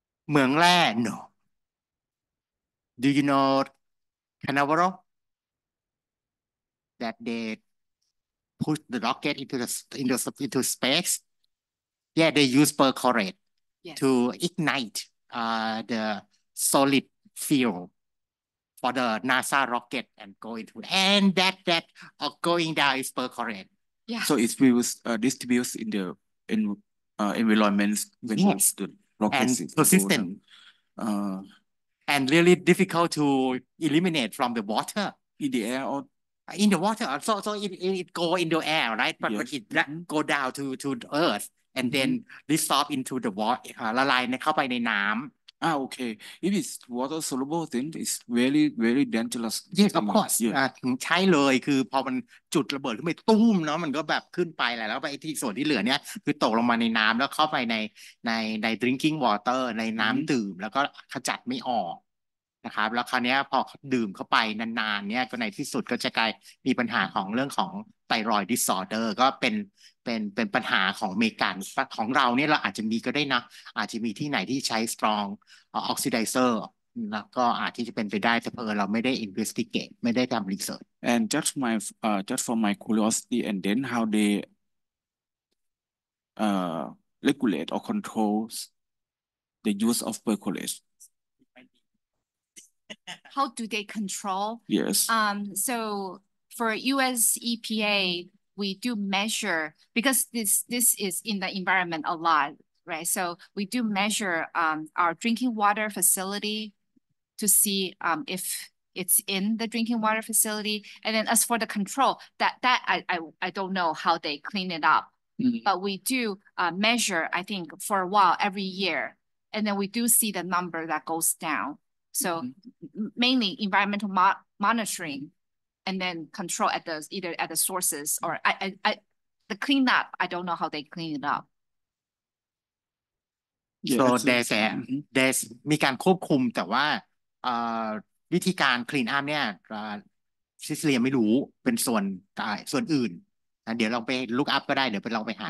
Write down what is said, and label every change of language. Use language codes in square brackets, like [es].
[th] เมืองแร่ [en] no do you know Canaveral that they push the rocket into space yeah they use perchlorate to ignite the solid fuel for the NASA rocket and go into and that going down is perchlorate Yeah. So it will distribute in the environment when the rocket and is persistent, and really difficult to eliminate from the water in the air or in the water. So it go in the air, right? But, but it go down to earth and then dissolve into the water. [th] ละลายในเข้าไปในน้ำ [en] Okay. If it's water soluble, then it's very, very dangerous. Yes, of course. Yeah. [th] ใช่เลยคือพอมันจุดระเบิดขึ้นไปตุ้มเนาะมันก็แบบขึ้นไปแล้วไปที่ส่วนที่เหลือเนี่ยคือตกลงมาในน้ำแล้วเข้าไป ใน [en] drinking water [th] ในน้ำดื่มแล้วก็ขจัดไม่ออกนะครับแล้วคราวนี้พอดื่มเข้าไปนานๆเนี่ยก็ในที่สุดก็จะกลายมีปัญหาของเรื่องของไทรอยด์ดิสออเดอร์ก็เป็นปัญหาของอเมริกันของเราเนี่ยเราอาจจะมีก็ได้นะอาจจะมีที่ไหนที่ใช้สตรองออกซิไดเซอร์แล้วก็อาจที่จะเป็นไปได้แต่เพราะเราไม่ได้อินเวสติเกตไม่ได้ทำรีเสิร์ช [en] and just my just for my curiosity and then how they regulate or controls the use of percolate how do they control yes so for US EPA we do measure because this is in the environment a lot, right? So we do measure our drinking water facility to see if it's in the drinking water facility. And then as for the control, that I don't know how they clean it up. Mm-hmm. But we do measure, I think, for a while every year. And then we do see the number that goes down. So mainly environmental monitoring. And then control at the sources or the cleanup. I don't know how they clean it up. Yeah, so there's [th] มีการควบคุมแต่ว่าวิธีการ [en] clean up [th] เนี่ยซิสเลียไม่รู้เป็นส่วนอื่นเดี๋ยวลองไป [en] look up [th] ก็ได้เดี๋ยวไปลองไปหา